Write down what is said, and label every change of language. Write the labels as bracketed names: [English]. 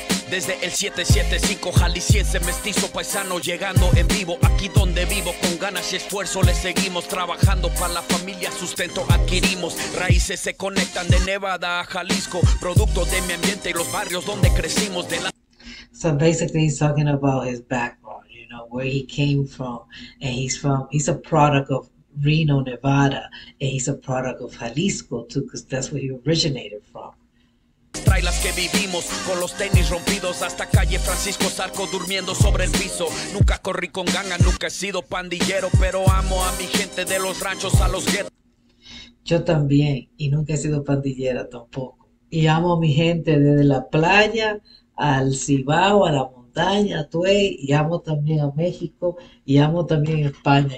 [Spanish] Desde el 775 jalisciense mestizo paisano llegando en vivo aquí donde vivo con ganas y esfuerzo le seguimos trabajando para la familia sustento adquirimos raíces se conectan de Nevada a Jalisco producto de mi ambiente y los barrios donde crecimos de la. [English] So basically he's talking about his background, you know, where he came from, and he's a product of Reno, Nevada, and he's a product of Jalisco too, because that's where he originated from. [Spanish] Trailas que vivimos con los tenis rompidos hasta calle Francisco Zarco durmiendo sobre el piso. Nunca corrí con ganga, nunca he sido pandillero, pero amo a mi gente de los ranchos a los guetos. Yo también, y nunca he sido pandillera tampoco. Y amo a mi gente desde la playa al Cibao, a la montaña, a Tuey, y amo también a México, y amo también a España.